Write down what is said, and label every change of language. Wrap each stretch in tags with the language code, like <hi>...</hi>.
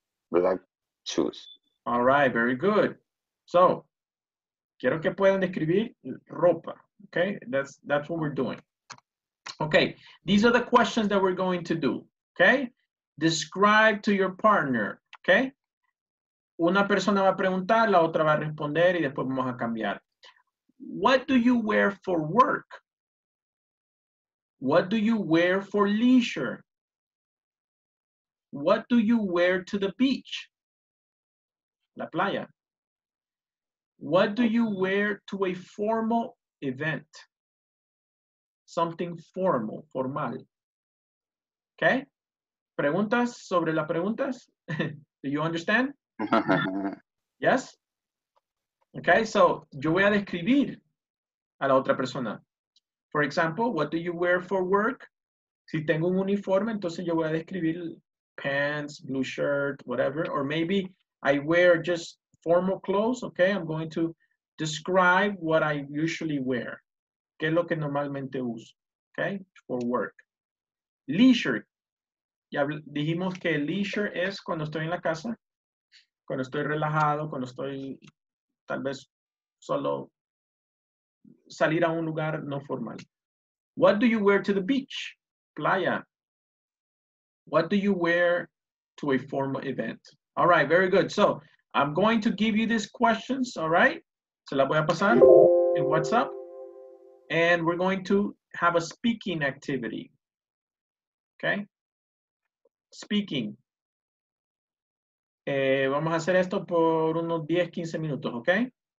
<en>Black shoes. All right, very good. So,</en> <es>quiero que puedan describir ropa,</es> <en>okay? That's what we're doing. Okay, these are the questions that we're going to do, okay? Describe to your partner, okay?</en> <es>Una persona va a preguntar, la otra va a responder y después vamos a cambiar.</es> <en>What do you wear for work? What do you wear for leisure? What do you wear to the beach?</en> <es>La playa.</es> <en>What do you wear to a formal event? Something formal, formal. Okay?</en> <es>¿Preguntas sobre las preguntas?</es> <en>Do you understand? Yes?</en> <es>Okay, so yo voy a describir a la otra persona.</es> <en>For example, what do you wear for work?</en> <es>Si tengo un uniforme, entonces yo voy a describir</es> <en>pants, blue shirt, whatever. Or maybe I wear just formal clothes, okay? I'm going to describe what I usually wear.</en> <es>¿Qué es lo que normalmente uso? Okay,</es> <en>for work.</en> <es>Leisure. Ya dijimos que leisure es cuando estoy en la casa, cuando estoy relajado, cuando estoy tal vez solo salir a un lugar no formal.</es> <en>What do you wear to the beach? Playa. What do you wear to a formal event? All right, very good. So I'm going to give you these questions, all right?</en> <es>Se la voy a pasar</es> <en>in WhatsApp. And we're going to have a speaking activity, okay? Speaking.</en> <es>Vamos a hacer esto por unos 10, 15 minutos, okay?</es>